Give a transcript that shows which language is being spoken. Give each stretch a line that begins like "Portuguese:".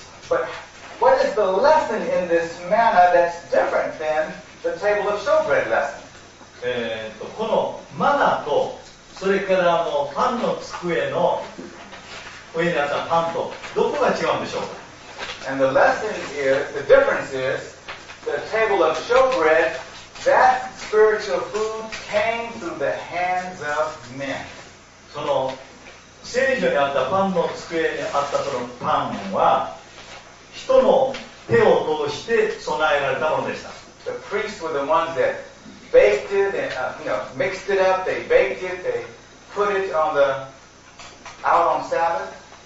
English: But what is the lesson in this manna that's different than the table of showbread lesson?
Japanese: このマナとそれからあのパンの机の上にあったパンとどこが違うんでしょうか?
English: And the lesson is, the difference is, the table of showbread, that spiritual food came through the hands of men.
Japanese: その 聖女にあったパンの机にあったそのパンは人の手を通して備えられたものでした。
English: The priests were the ones that baked it and mixed it up. They baked it. They put it on the out on Sabbath.